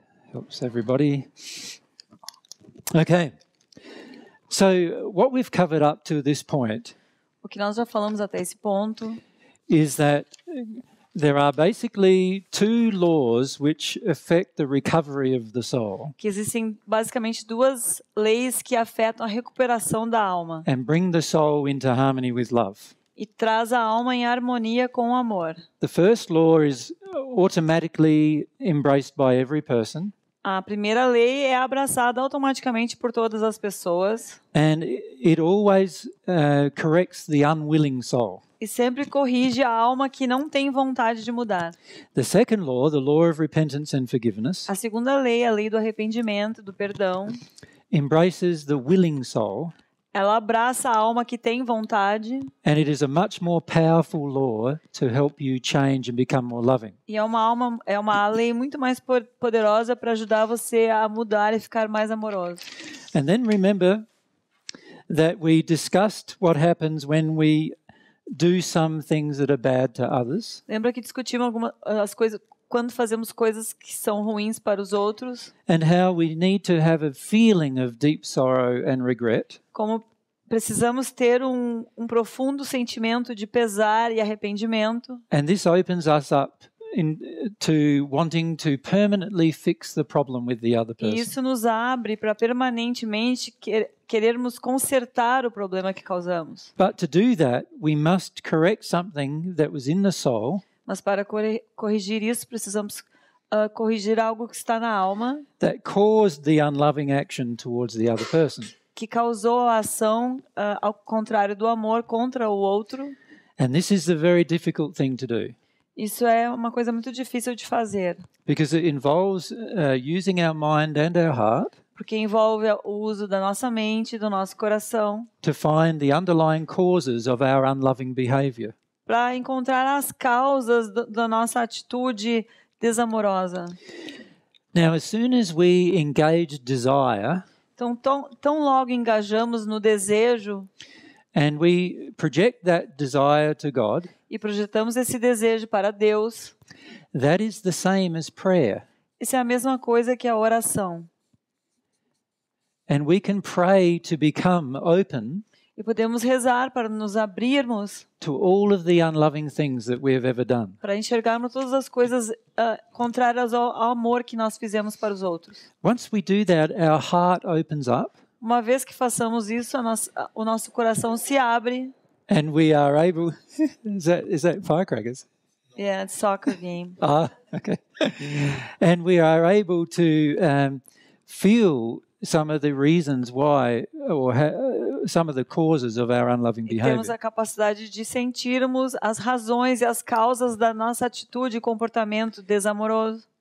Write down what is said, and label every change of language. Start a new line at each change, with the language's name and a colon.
English: Helps everybody. Okay, so what we've covered up to this point,
Portuguese: o que nós já falamos até esse ponto,
English: is that there are basically two laws which affect the recovery of the soul.
Portuguese: Que existem basicamente duas leis que afetam a recuperação da alma.
English: And bring the soul into harmony with love.
Portuguese: E traz a alma em harmonia com o amor.
English: The first law is automatically embraced by every person.
Portuguese: A primeira lei é abraçada automaticamente por todas as pessoas.
English: And it always, corrects the unwilling soul.
Portuguese: E sempre corrige a alma que não tem vontade de mudar.
English: The second law, the law of repentance and forgiveness,
Portuguese: a segunda lei, a lei do arrependimento, do perdão,
English: embraces the willing soul.
Portuguese: Ela abraça a alma que tem vontade.
English: And it is a much more powerful law to help you change and become more loving.
Portuguese: E é uma lei muito mais poderosa para ajudar você a mudar e ficar mais amoroso.
English: And then remember that we discussed what happens when we do some things that are bad to others.
Portuguese: Lembra que discutimos algumas coisas quando fazemos coisas que são ruins para os outros?
English: And how we need to have a feeling of deep sorrow and regret.
Portuguese: Como precisamos ter um profundo sentimento de pesar e arrependimento.
English: And this opens us up to wanting to permanently fix the problem with the other person.
Portuguese: E isso nos abre para permanentemente querermos consertar o problema que causamos.
English: But to do that, we must correct something that was in the soul.
Portuguese: Mas para corrigir isso, precisamos corrigir algo que está na alma.
English: That caused the unloving action towards the other person.
Portuguese: Que causou a ação ao contrário do amor contra o outro.
English: And this is a very difficult thing to do.
Portuguese: Isso é uma coisa muito difícil de fazer.
English: Because it involves using our mind and our heart.
Portuguese: Porque envolve o uso da nossa mente, do nosso coração.
English: To find the underlying causes of our unloving behavior.
Portuguese: Para encontrar as causas da nossa atitude desamorosa.
English: Now, as soon as we engage desire,
Portuguese: então, tão logo engajamos no desejo,
English: and we project that desire to God,
Portuguese: e projetamos esse desejo para Deus,
English: that is the same as prayer.
Portuguese: Isso é a mesma coisa que a oração.
English: And we can pray to become open.
Portuguese: E podemos rezar para nos abrirmos
English: to all of the unloving things that we have ever done.
Portuguese: Para enxergarmos todas as coisas contrárias ao amor que nós fizemos para os outros.
English: Once we do that, our heart opens up.
Portuguese: Uma vez que façamos isso, o nosso coração se abre.
English: And we are able. Is that firecrackers? Yeah, it's soccer game. Ah, okay. And we are able to feel some of the reasons why or some of the causes of our unloving behavior.
Portuguese: Temos a capacidade de sentirmos as razões e as causas da nossa atitude e comportamento desamoroso.